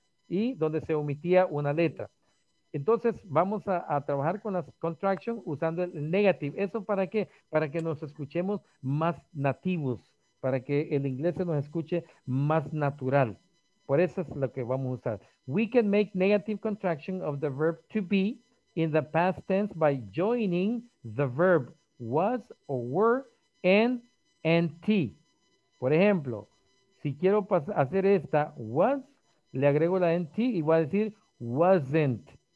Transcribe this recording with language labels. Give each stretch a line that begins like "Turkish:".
Spanish: Y donde se omitía una letra. Entonces, vamos a trabajar con las contractions usando el negative. ¿Eso para qué? Para que nos escuchemos más nativos, para que el inglés se nos escuche más natural. Por eso es lo que vamos a usar.
English: we can make negative contraction of the verb to be in the past tense by joining the verb was or were and NT.
Spanish: Por ejemplo, si quiero hacer esta, was, le agrego la NT y voy a decir wasn't.